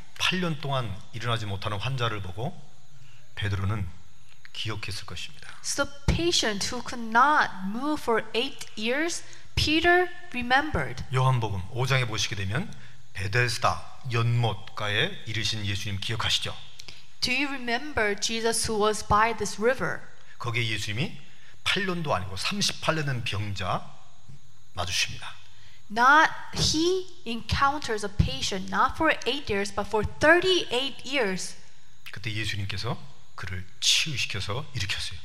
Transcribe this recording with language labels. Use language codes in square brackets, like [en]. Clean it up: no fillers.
[ko] 8년 동안 일어나지 못하는 환자를 보고 베드로는 기억했을 것입니다. [en] So patient who could not move for 8 years, Peter remembered. [ko] 요한복음 5장에 보시게 되면 베데스다 연못가에 이르신 예수님 기억하시죠? [en] Do you remember Jesus who was by this river? [ko] 거기에 예수님이 8년도 아니고 38년 된 병자 마주십니다. [en] Not he encounters a patient not for 8 years but for 38 years. [ko] 그때 예수님께서 그를 치유시켜서 일으켰어요.